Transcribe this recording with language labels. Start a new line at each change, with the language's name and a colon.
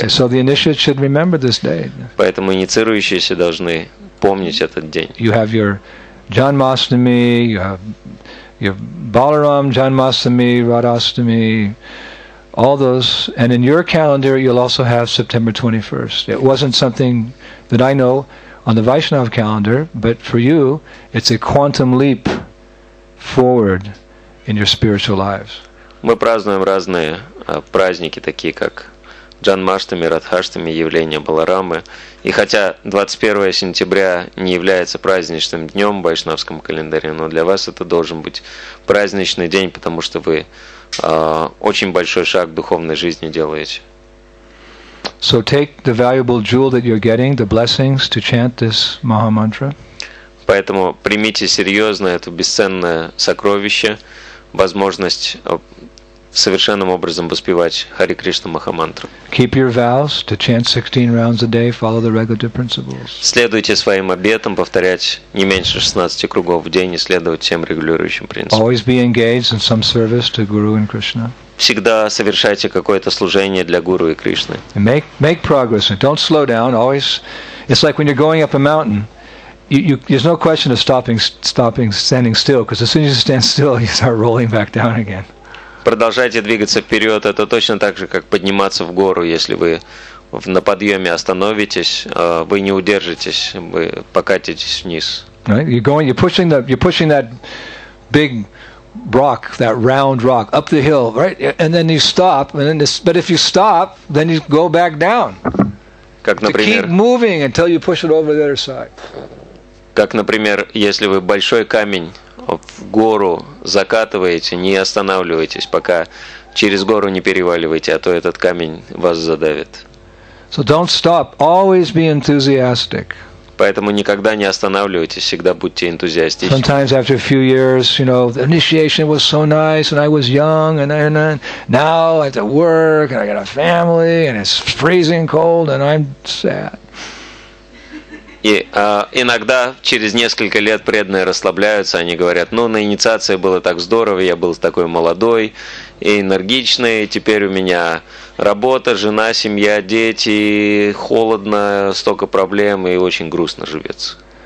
English: So the initiate should remember this day.
Russian: Поэтому инициирующиеся должны помнить этот день.
English: You have your Janmashtami, you have your Balaram Janmashtami, Radhashtami, all those, and in your calendar you'll also have September 21st. It wasn't something that I know on the Vaishnava calendar, but for you it's a quantum leap forward in your spiritual lives.
Russian: Мы празднуем разные праздники, такие как Джанмаштами, Радхаштами, явление Баларамы. И хотя 21 сентября не является праздничным днем в вайшнавском календаре, но для вас это должен быть праздничный день, потому что вы очень большой шаг в духовной жизни делаете.
English: So take the valuable jewel that you're getting, the blessings, to chant this Maha Mantra.
Russian: Поэтому примите серьезно это бесценное сокровище, возможность совершенным образом воспевать Хари Кришна Махамантру.
English: Keep your vows to chant 16 rounds a day, follow the regulative principles.
Russian: Следуйте своим обетам, повторять не меньше 16 кругов в день и следовать тем регулирующим принципам.
English: Always be engaged in some service to Guru and Krishna.
Russian: Всегда совершайте какое-то служение для Гуру и Кришны.
English: Make progress and don't slow down. Always, it's like when you're going up a mountain. There's no question of stopping, standing still, because as soon as you stand still, you start rolling back down again.
Russian: Продолжайте двигаться вперед. Это точно так же, как подниматься в гору. Если вы на подъеме остановитесь, вы не удержитесь, вы покатитесь вниз.
English: Right? You're pushing that big rock, that round rock, up the hill, right? And then you stop. But if you stop, then you go back down.
Russian: Как, например,
English: to keep moving until you push it over the other side.
Russian: Как, например, если вы большой камень в гору закатываете, не останавливаетесь, пока через гору не переваливаете, а то этот камень вас задавит.
English: So don't stop. Always be enthusiastic.
Russian: Поэтому никогда не останавливайтесь, всегда будьте энтузиастичны.
English: Sometimes after a few years, you know, the initiation was so nice, and I was young, and now I have to work, and I got a family, and it's freezing cold, and I'm sad.
Russian: И иногда через несколько лет преданные расслабляются, они говорят: ну, на инициации было так здорово, я был такой молодой и энергичный, теперь у меня работа, жена, семья, дети, холодно, столько проблем, и очень грустно живется.